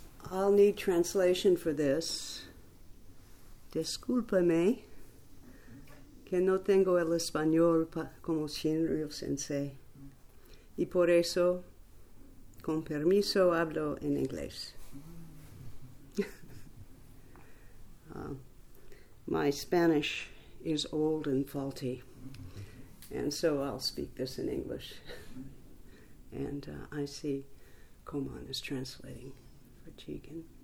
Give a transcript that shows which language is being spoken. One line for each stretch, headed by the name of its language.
English: I'll need translation for this.
Spanish: Discúlpame, que no tengo el español como Shinryu sensei. Y por eso, con permiso, hablo en inglés.
English: My Spanish is old and faulty, and so I'll speak this in English. And I see Komon is translating for Jigen.